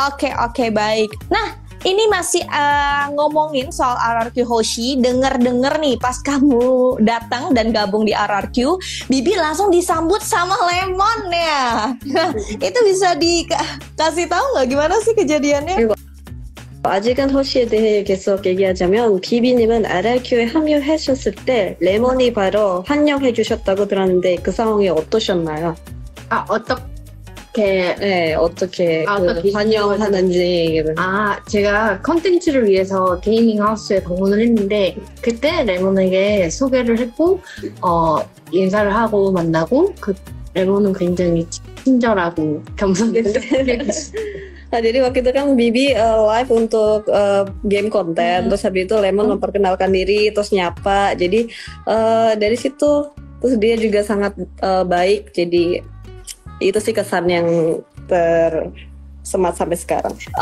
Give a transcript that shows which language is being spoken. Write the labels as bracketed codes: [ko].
[id] Oke, baik. Nah, ini masih ngomongin soal RRQ Hoshi. Dengar-dengar nih, pas kamu datang dan gabung di RRQ, Bibi langsung disambut sama Lemon ya. Itu bisa dikasih tahu nggak gimana sih kejadiannya? [ko] 아직은 호시에 대해 계속 얘기하자면 비비님은 RRQ에 합류하셨을 때 레몬이 바로 환영해 주셨다고 들었는데 그 상황이 어떠셨나요? 아, 어떻게? 네, 어떻게, 아, 어떻게 그 환영하는지. 아, 제가 콘텐츠를 위해서 게이밍 하우스에 방문을 했는데 그때 레몬에게 소개를 했고 인사를 하고 만나고 그 레몬은 굉장히 친절하고 겸손했어요. [id] Jadi waktu itu kan Bibi live untuk game konten, terus habis itu Lemon memperkenalkan diri, terus nyapa. Jadi dari situ, terus dia juga sangat baik. Jadi itu sih kesan yang tersemat sampai sekarang.